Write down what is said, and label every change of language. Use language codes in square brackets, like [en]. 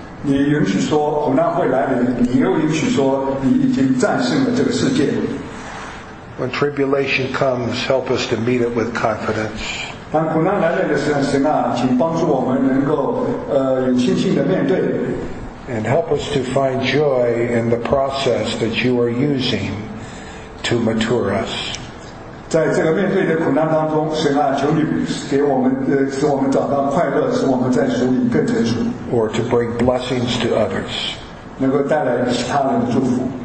[zh] 你允许说苦难会来临，你又允许说你已经战胜了这个世界。 [en] When tribulation comes, help us to meet it with confidence. [zh] 当苦难来临的时候，神啊，请帮助我们能够有信心的面对。 [en] And help us to find joy in the process that you are using to mature us. [zh] 在这个面对的苦难当中，神啊，求你给我们，使我们找到快乐，使我们在主里更成熟。 [en] Or to bring blessings to others. [zh] 能够带来其他人的祝福。